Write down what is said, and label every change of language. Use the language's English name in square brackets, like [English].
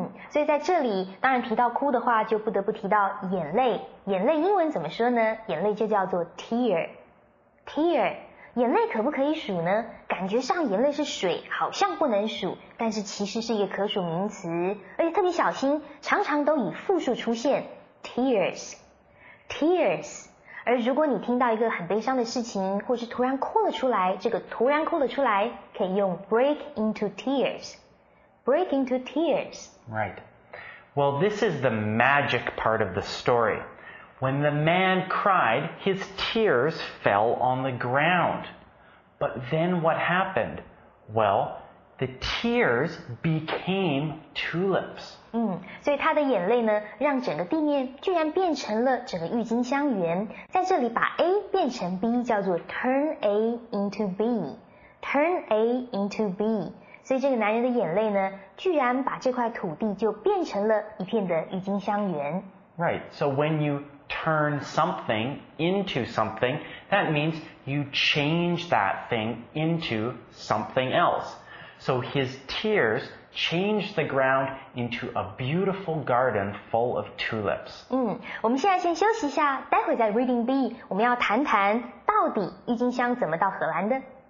[Chinese] 所以在这里当然提到哭的话就不得不提到眼泪，眼泪英文怎么说呢？眼泪就叫做 tear， tear。眼泪可不可以数呢？感觉上眼泪是水，好像不能数，但是其实是一个可数名词，而且特别小心常常都以复数出现 tears， tears。而如果你听到一个很悲伤的事情或是突然哭了出来，这个突然哭了出来可以用 [English] break into tears， break into tears。 Right. Well, this is the magic part of the storyWhen the man cried, his tears fell on the ground. But then what happened? Well, the tears became tulips. [Chinese] 所以他的眼泪呢，让整个地面居然变成了整个郁金香园。在这里把 A 变成 B 叫做 [English] turn A into B. Turn A into B. [Chinese] 所以这个男人的眼泪呢，居然把这块土地就变成了一片的郁金香园。 [English] Right, so when youturn something into something, that means you change that thing into something else. So his tears changed the ground into a beautiful garden full of tulips. [Chinese] 我们现在先休息一下，待会在 Reading B 我们要谈谈到底郁金香怎么到荷兰的。